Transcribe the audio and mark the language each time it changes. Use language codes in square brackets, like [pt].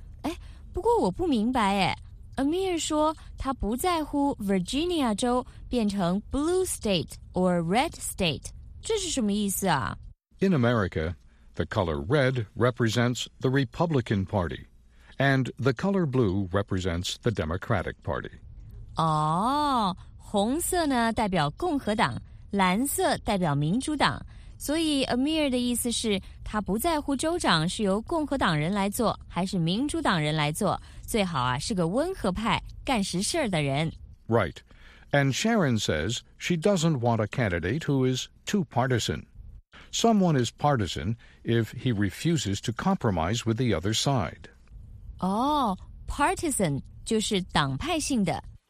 [zh] 哎，不过我不明白哎。Amir 说他不在乎 Virginia 州变成 [en] blue state or red state, [zh] 这是什么意思啊？ [en] In America, the color red represents the Republican Party, and the color blue represents the Democratic Party. [zh] 哦，红色呢代表共和党，蓝色代表民主党。所以 Amir 的意思是他不在乎州长是由共和党人来做还是民主党人来做，最好啊是个温和派干实事的人。 [en] Right. And Sharon says she doesn't want a candidate who is too partisan. Someone is partisan if he refuses to compromise with the other side. [zh] Oh, partisan 就是党派性的。